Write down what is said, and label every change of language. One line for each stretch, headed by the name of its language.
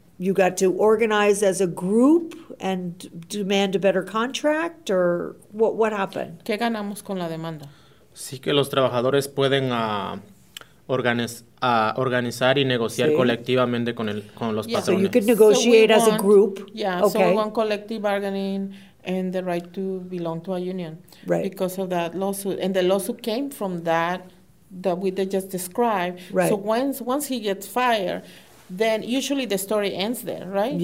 English: You got to organize as a group and demand a better contract, or what happened?
Spanish: ¿Qué ganamos con la demanda? Sí, que los trabajadores pueden organizar y negociar colectivamente con los patrones.
English: So you could negotiate as a group. Yeah, okay. So we want collective bargaining and the right to belong to a union. Right. Because of that lawsuit. And the lawsuit came from that we just described. Right. So once he gets fired, then usually the story ends there, right?